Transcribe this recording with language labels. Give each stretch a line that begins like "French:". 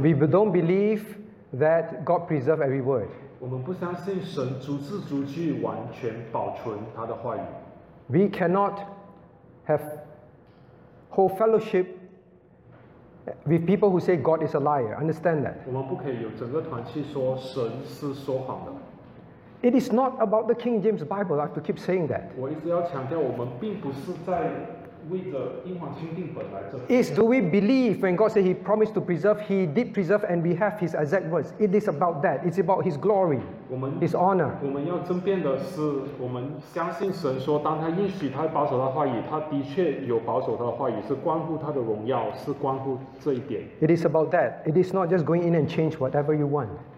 English: We don't believe that God preserves every word.
Chinese: 我们不相信神逐字逐句完全保存他的话语。
English: We cannot have whole fellowship with people who say God is a liar. Understand that?
Chinese: 我们不可以有整个团契说神是说谎的。
English: It is not about the King James Bible. I have to keep saying that.
Chinese: 我一直要强调，我们并不是在为着英皇钦定本来这。
English: Is do we believe when God said He promised to preserve, He did preserve, and we have His exact words? It is about that. It's about His glory, His honor.
Chinese: 我们要争辩的是，我们相信神说，当他应许他保守他的话语，他的确有保守他的话语，是关乎他的荣耀，是关乎这一点。
English: It is about that. It is not just going in and change whatever you want.